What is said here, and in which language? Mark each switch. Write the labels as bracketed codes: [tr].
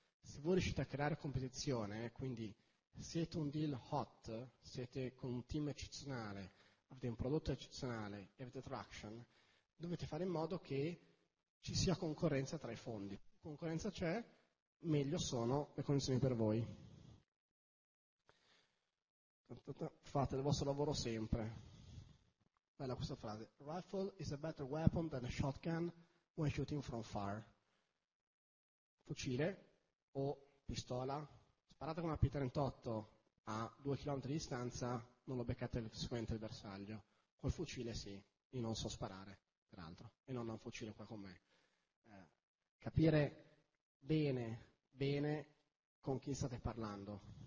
[it] Se voi riuscite a creare competizione, quindi siete un deal hot, siete con un team eccezionale, avete un prodotto eccezionale e avete traction, dovete fare in modo che ci sia concorrenza tra i fondi. Concorrenza c'è, meglio sono le condizioni per voi. Fate il vostro lavoro sempre. Bella questa frase. [en] Rifle is a better weapon than a shotgun when shooting from far. [it] Fucile o pistola. Sparate con una P38 a 2 km di distanza, non lo beccate sicuramente il bersaglio. Col fucile sì, io non so sparare, peraltro. E non ho un fucile qua con me. Capire bene, bene con chi state parlando.